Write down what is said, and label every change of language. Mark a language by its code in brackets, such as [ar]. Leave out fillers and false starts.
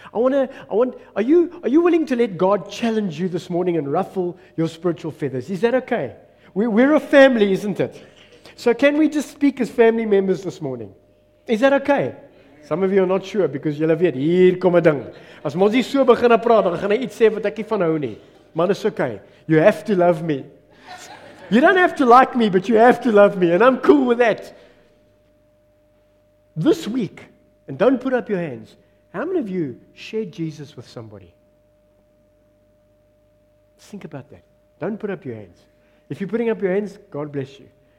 [en] Are you willing to let God challenge you this morning and ruffle your spiritual feathers? Is that okay? We're a family, isn't it? So can we just speak as family members this morning? Is that okay? Some of you are not sure because you [af] weet, hier kom 'n ding. As mos jy so begin praat, dan gaan hy iets sê wat ek nie van hou nie. [en] Man, is okay. You have to love me. You don't have to like me, but you have to love me, and I'm cool with that. This week, and don't put up your hands, how many of you shared Jesus with somebody? Think about that. Don't put up your hands. If you're putting up your hands, God bless you.